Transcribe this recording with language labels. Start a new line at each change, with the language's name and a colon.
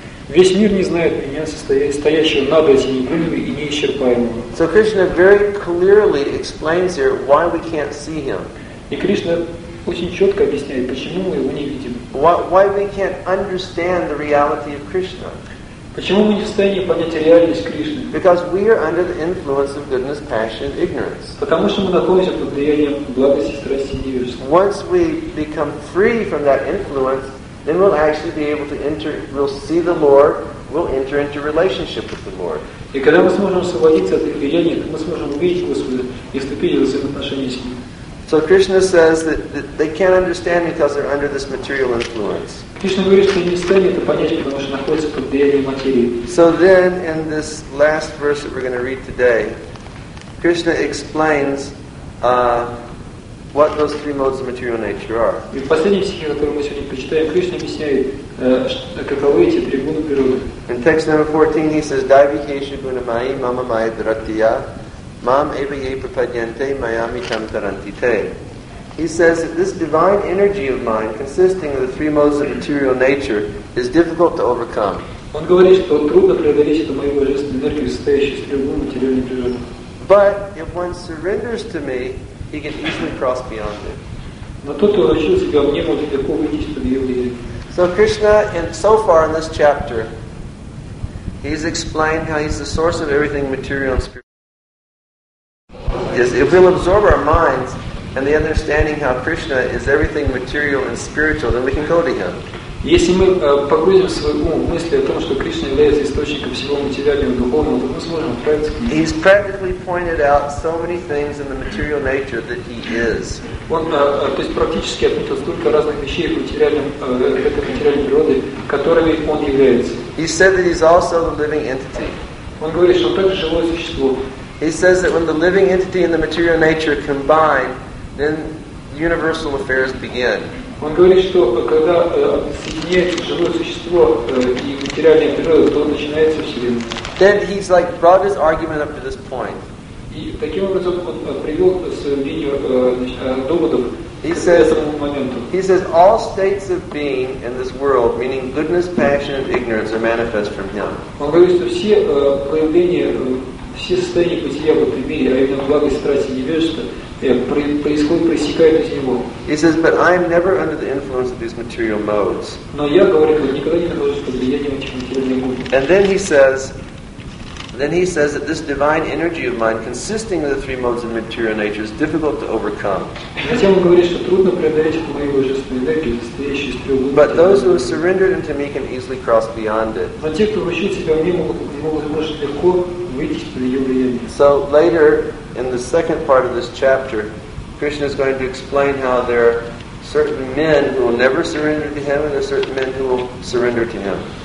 Russian: Весь мир не знает меня, стоящего над этими гунами и неисчерпаемого.
English: So Krishna very clearly explains here why we can't see him.
Russian: И Кришна очень четко объясняет, почему мы его не видим.
English: Why we can't understand the reality of Krishna?
Russian: Почему мы не в состоянии понять реальность Кришны?
English: Because we are under the influence of goodness, passion, ignorance.
Russian: Потому что мы находимся под влиянием благости, страсти и невежества.
English: Once we become free from that influence, then we'll actually be able to enter, we'll see the Lord, we'll enter into relationship with the Lord.
Russian: И когда мы сможем освободиться от этих влияний, мы сможем увидеть Господа и вступить в взаимоотношения с Ним.
English: So Krishna says that they can't understand because they're under this material influence.
Russian: Кришна говорит, что они не станут это понять, потому что находятся под влиянием материи.
English: So then, in this last verse that we're going to read today, Krishna explains what those three modes of material nature are.
Russian: И в последнем стихе, который мы сегодня прочитаем, Кришна объясняет, каковы эти три гуны природы.
English: In text number 14, he says,
Sanskrit: Дайвикеша гунамайи мама майя дратия, мам эва е пападьянте майами там тарантите.
English: He says that this divine energy of mine, consisting of the three modes of material nature, is difficult to overcome.
Russian: Он говорит, что трудно преодолеть эту мою божественную энергию, состоящую из трех гун материальной природы.
English: But if one surrenders to me, he can easily cross beyond it. So Krishna, so far in this chapter, he's explained how he's the source of everything material and spiritual. If we'll absorb our minds and the understanding how Krishna is everything material and spiritual, then we can go to him.
Russian: Если мы погрузим свой ум в мысли о том, что Кришна является источником всего материального и духовного, то мы сможем отправиться к Нему.
English: He's practically pointed out so many things in the material nature that He is.
Russian: Он то есть практически отметил столько разных вещей в материальном, этой материальной природе, которыми Он является.
English: He said that He's also the living entity.
Russian: Он говорит, что Он также живое существо.
English: He says that when the living entity and the material nature combine, then universal affairs begin.
Russian: Он говорит, что когда соединяется живое существо и материальная природа, то начинается Вселенная.
English: Then he's like brought his argument up to this point.
Russian: И таким образом он привел свое мнение доводов этому моменту.
English: He says all states of being in this world, meaning goodness, passion, and ignorance, are manifest from him.
Russian: Он говорит, что все проявления, все состояния бытия в этом мире, а именно благость, страсть и невежество, происходит, пресекает из него.
English: He says, but I am never under the influence of these material modes.
Russian: Но я говорю, что никогда не нахожусь под влиянием этих материальных модов.
English: And then he says that this divine energy of mine, consisting of the three modes of material nature, is difficult to overcome.
Russian: Затем он говорит, что трудно преодолеть эту мою божественную энергию, состоящую из трех гун.
English: But those who have surrendered unto me can easily cross beyond it.
Russian: Но те, кто вручил себя мне, могут легко выйти из-под ее влияния.
English: So later, in the second part of this chapter, Krishna is going to explain how there are certain men who will never surrender to him and there are certain men who will surrender to him.